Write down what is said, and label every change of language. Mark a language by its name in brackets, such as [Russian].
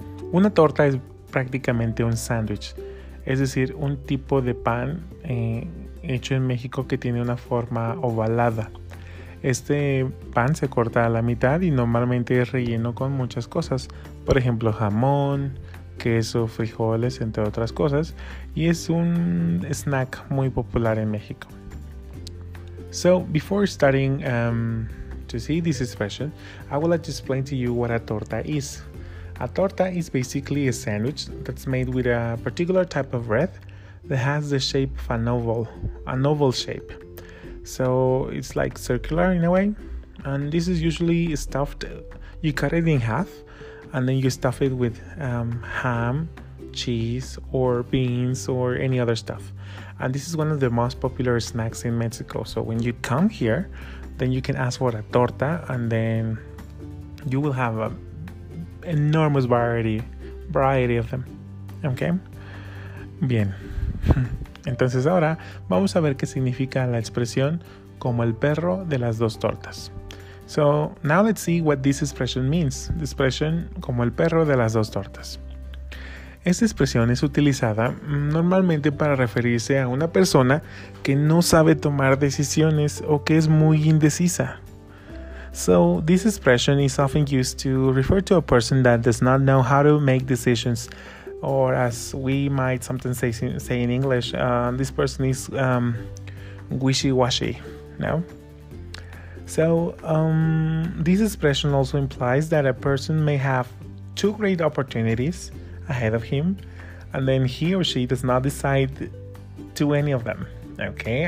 [Spanish] Una torta es prácticamente un sándwich, es decir, un tipo de pan hecho en México que tiene una forma ovalada. Este pan se corta a la mitad y normalmente es relleno con muchas cosas, por ejemplo, jamón, queso, frijoles, entre otras cosas, y es un snack muy popular en México. [English] So, before starting to see this special, I would like to explain to you what a torta is. A torta is basically a sandwich that's made with a particular type of bread that has the shape of an oval shape. So it's like circular in a way, and this is usually stuffed, you cut it in half, and then you stuff it with ham, cheese, or beans, or any other stuff. And this is one of the most popular snacks in Mexico. So when you come here, then you can ask for a torta, and then you will have an enormous variety of them. Okay? [Spanish] Bien. Entonces ahora vamos a ver qué significa la expresión como el perro de las dos tortas. [English] So now let's see what this expression means. The expression [Spanish] como el perro de las dos tortas. Esta expresión es utilizada normalmente para referirse a una persona que no sabe tomar decisiones o que es muy indecisa. [English] So this expression is often used to refer to a person that does not know how to make decisions. Or as we might sometimes say in English, this person is wishy-washy, no? So, this expression also implies that a person may have two great opportunities ahead of him, and then he or she does not decide to any of them, okay?